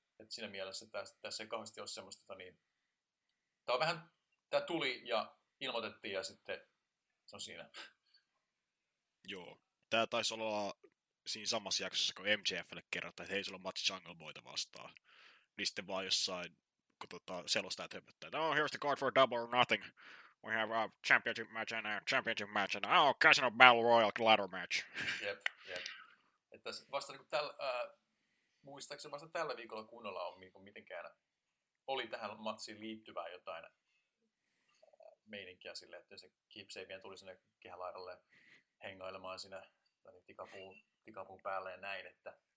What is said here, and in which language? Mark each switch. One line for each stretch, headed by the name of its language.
Finnish: Et siinä mielessä tässä ei kauheasti ole semmoista, niin tämä on vähän, tämä tuli ja ilmoitettiin ja sitten se on siinä. Joo, tämä taisi olla siinä samassa jaksossa, kun MJFlle kerrotaan, että hei, sulla on match Jungle Boyta vastaan. Niin sitten vaan jossain, kun selostaa, että höpöttää, että
English: oh, here's the card for double or nothing. We have a championship match and a championship match and a casino battle royal ladder match.
Finnish: Jep. Että vasta niin kuin muistaakseni vasta tällä viikolla kunnolla on niin kuin mitenkään, oli tähän matsiin liittyvää jotain meininkiä sille, että se kipseivien tuli sinne kehälaidalle hengailemaan siinä tikapuun päälle ja näin, että